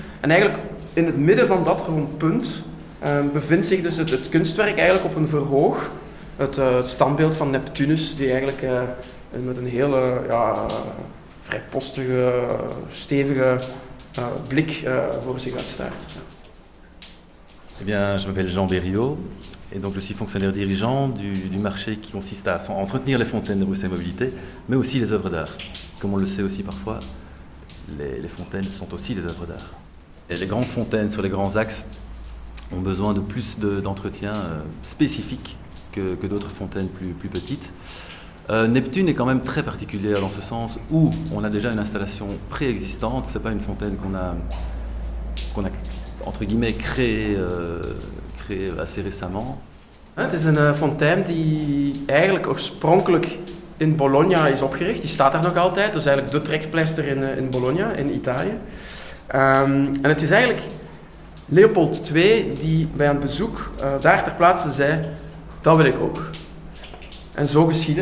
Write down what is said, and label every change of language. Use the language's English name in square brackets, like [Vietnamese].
[Dutch] En eigenlijk in het midden van dat rondpunt... bevindt zich dus het kunstwerk eigenlijk op een verhoog het standbeeld van Neptunus, die eigenlijk met een hele vrijpostige, stevige blik voor zich uitstaat. [French] Eh bien, je m'appelle Jean Berriot et donc je suis fonctionnaire dirigeant du marché qui consiste à entretenir les fontaines de Bruxelles Mobilité, mais aussi les œuvres d'art. Comme on le sait aussi parfois, les fontaines sont aussi des œuvres d'art. Et les grandes fontaines sur les grands axes ont besoin de plus d'entretien spécifique que d'autres fontaines plus petites. Neptune est quand même très particulière dans ce sens où on a déjà une installation préexistante, c'est pas une fontaine qu'on a entre guillemets créé assez récemment. [Dutch] Het is een fontein die eigenlijk oorspronkelijk in Bologna is opgericht. Die staat daar nog altijd. Dat is eigenlijk de trekpleister in Bologna, in Italië. En het is eigenlijk Leopold II die bij een bezoek daar ter plaatse zei, dat wil ik ook. En zo geschiedde.